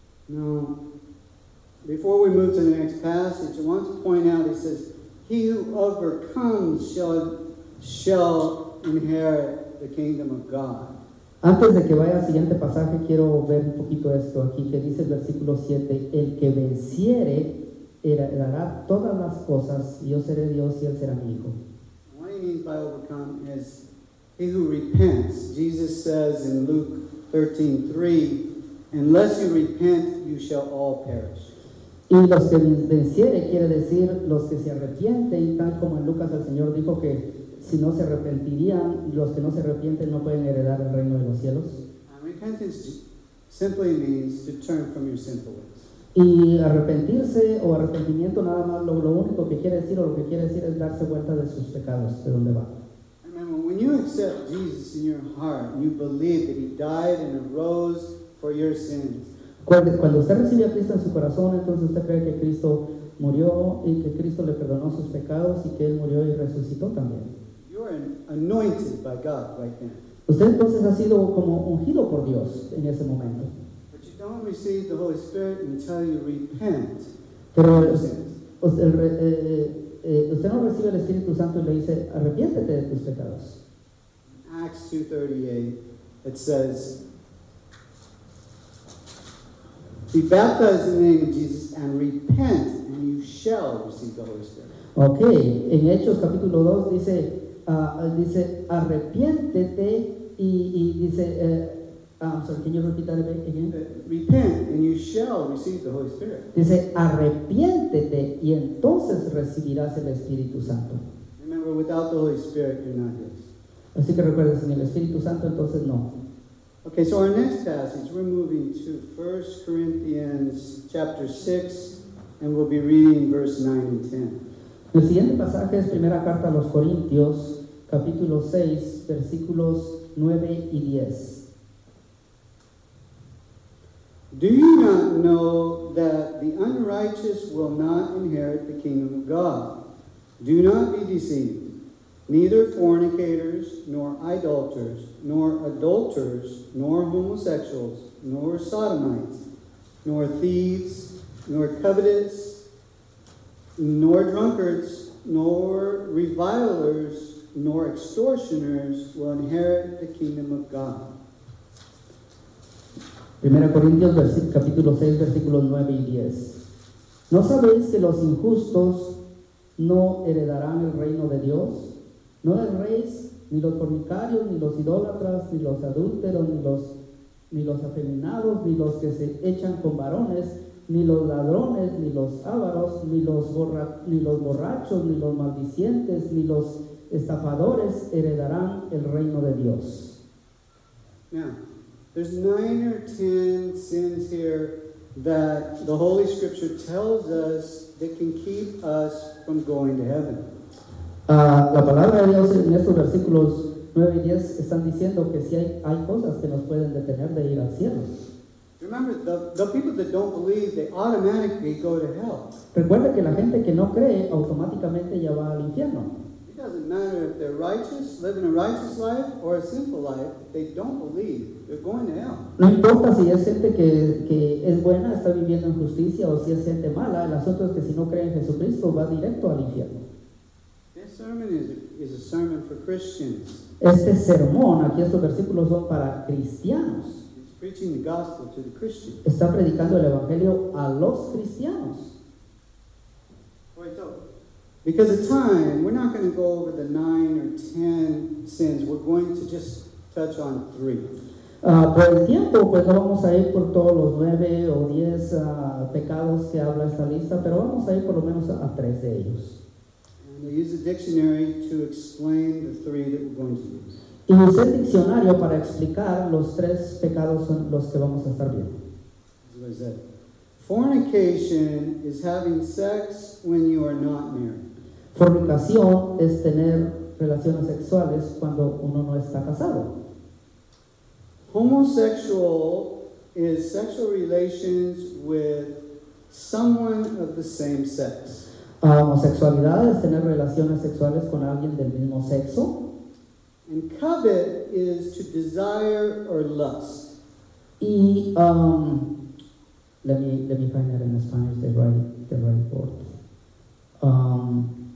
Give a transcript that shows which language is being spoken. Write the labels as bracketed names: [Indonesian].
[English] Now, before we move to the next passage, I want to point out, he says, he who overcomes shall inherit the kingdom of God. [Spanish] Antes de que vaya al siguiente pasaje, quiero ver un poquito esto aquí, que dice el versículo 7, el que venciere heredará todas las cosas, y yo seré Dios y él será mi hijo. [English] What he means by overcome is he who repents. Jesus says in Luke 13:3, unless you repent, you shall all perish. [Spanish] Y los que venciere quiere decir los que se arrepienten, tal como en Lucas el Señor dijo que si no se arrepentirían, los que no se arrepienten no pueden heredar el reino de los cielos. [English] Repentance simply means to turn from your sinful ways. [Spanish] Y arrepentirse o arrepentimiento nada más lo único que quiere decir o lo que quiere decir es darse vuelta de sus pecados, de donde va. [English] Remember, when you accept Jesus in your heart, you believe that he died and arose for your sins. [Spanish] Cuando usted recibe a Cristo en su corazón, entonces usted cree que Cristo murió y que Cristo le perdonó sus pecados y que él murió y resucitó también. [English] Anointed by God right then. [Spanish] Usted entonces ha sido como ungido por Dios en ese momento. [English] But you don't receive the Holy Spirit until you repent. [Spanish] Pero usted no recibe el Espíritu Santo y le dice, arrepiéntete de tus pecados. [English] In Acts 2:38, it says, be baptized in the name of Jesus and repent, and you shall receive the Holy Spirit. [Spanish] Okay, en Hechos capítulo 2 dice, dice arrepiéntete y dice [English] can you repeat that again? Repent and you shall receive the Holy Spirit. [Spanish] Dice arrepiéntete y entonces recibirás el Espíritu Santo. [English] Remember, without the Holy Spirit you're not his. [Spanish] Así que recuerda, sin el Espíritu Santo entonces no. [English] Okay, so our next passage, we're moving to 1 Corinthians chapter 6 and we'll be reading verse 9 and 10. [Spanish] El siguiente pasaje es Primera Carta a los Corintios, capítulo 6, versículos 9 y 10. [English] Do you not know that the unrighteous will not inherit the kingdom of God? Do not be deceived. Neither fornicators, nor idolaters, nor adulterers, nor homosexuals, nor sodomites, nor thieves, nor covetous, nor drunkards, nor revilers, nor extortioners will inherit the kingdom of God. [Spanish] 1 Corintios capítulo 6, versículos 9 y 10. ¿No sabéis que los injustos no heredarán el reino de Dios? No erréis, ni los fornicarios, ni los idólatras, ni los adúlteros, ni los afeminados, ni los que se echan con varones, ni los ladrones, ni los ávaros, ni los borrachos, ni los maldicientes, ni los estafadores heredarán el reino de Dios. [English] Now, there's 9 or 10 sins here that the Holy Scripture tells us that can keep us from going to heaven. [Spanish] La palabra de Dios en estos versículos 9 y 10 están diciendo que sí hay cosas que nos pueden detener de ir al cielo. [English] Remember, the people that don't believe, they automatically go to hell. [Spanish] Recuerda que la gente que no cree automáticamente ya va al infierno. [English] It doesn't matter if they're righteous, living a righteous life or a sinful life, they don't believe, they're going to hell. [Spanish] No importa si es gente que es buena, está viviendo en justicia, o si es gente mala, el asunto es que si no cree en Jesucristo va directo al infierno. [English] Sermon is a sermon for Christians. [Spanish] Este sermón, aquí estos versículos son para cristianos. [English] It's preaching the gospel to the Christians. [Spanish] Está predicando el evangelio a los cristianos. [English] Because of time, we're not going to go over the 9 or 10 sins. We're going to just touch on 3. [Spanish] Por el tiempo, pues no vamos a ir por todos los 9 o 10 pecados que habla esta lista, pero vamos a ir por lo menos a 3 de ellos. [English] We use a dictionary to explain the 3 that we're going to use. [Spanish] Y usé el diccionario para explicar los 3 pecados son los que vamos a estar viendo. [English] As I said, fornication is having sex when you are not married. [Spanish] Fornicación es tener relaciones sexuales cuando uno no está casado. [English] Homosexual is sexual relations with someone of the same sex. [Spanish] Homosexualidad es tener relaciones sexuales con alguien del mismo sexo. [English] And covet is to desire or lust. Y let me find that in Spanish the right word.